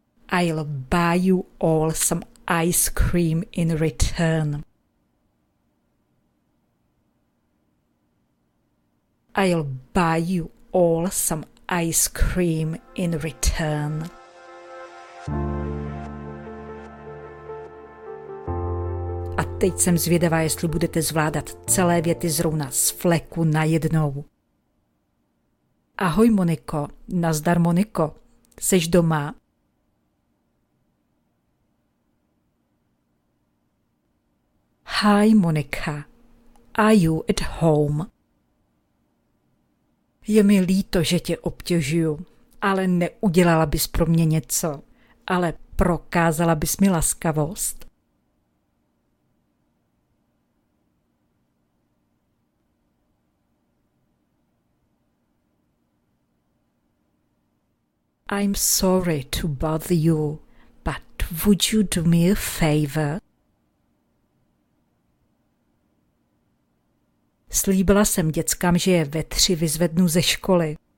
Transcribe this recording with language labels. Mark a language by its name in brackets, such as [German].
[English] I'll buy you all some ice cream in return. I'll buy you all some ice cream in return. [Czech] A teď jsem zvědavá, jestli budete zvládat celé věty zrovna z fleku na jednou. Ahoj Moniko, nazdar Moniko, seš doma? [English] Hi, Monika. Are you at home? [Czech] Je mi líto, že tě obtěžuju, ale neudělala bys pro mě něco, ale prokázala bys mi laskavost. [English] I'm sorry to bother you, but would you do me a favor? [Czech] slíbila jsem dětskám, že je ve 3 vyzvednu ze školy.